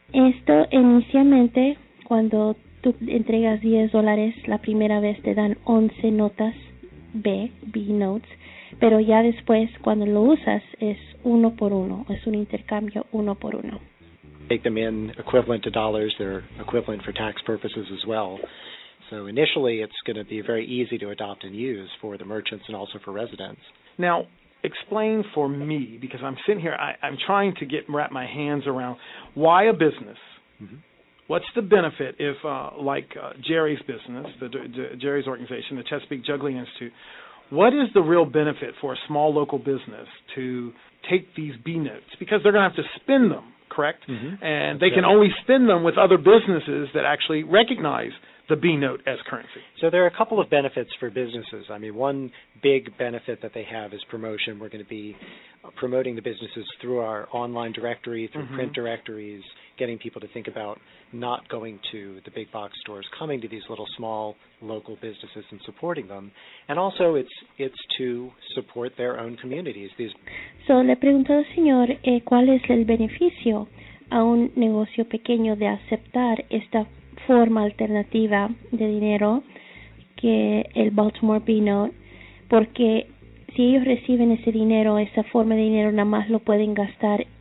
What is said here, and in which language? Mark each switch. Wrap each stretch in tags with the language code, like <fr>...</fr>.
<es>Esto inicialmente, cuando tú entregas $10, la primera vez te dan 11 notas B, B notes, pero ya después cuando lo usas es uno por uno, es un intercambio uno por uno.</es> <en>Take them in equivalent to dollars, they're equivalent for tax purposes as well. So initially it's going to be very easy to adopt and use for the merchants and also for residents. Now, explain for me, because I'm sitting here, I'm trying to wrap my hands around why a business, mm-hmm. what's the benefit if, Jerry's business, Jerry's organization, the Chesapeake Juggling Institute, what is the real benefit for a small local business to take these B-notes? Because they're going to have to spend them, correct? Mm-hmm. And okay. they can only spend them with other businesses that actually recognize the B-note as currency. So there are a couple of benefits for businesses. I mean, one big benefit that they have is promotion. We're going to be promoting the businesses through our online directory, through mm-hmm. print directories, getting people to think about not going to the big box stores, coming to these little small local businesses and supporting them. And also it's to support their own communities.</en> <es>So le pregunto al señor, ¿cuál es el beneficio a un negocio pequeño de aceptar esta forma alternativa de dinero que el Baltimore B-Note, porque si ellos reciben ese dinero, esa forma de dinero, nada más lo pueden gastar</es>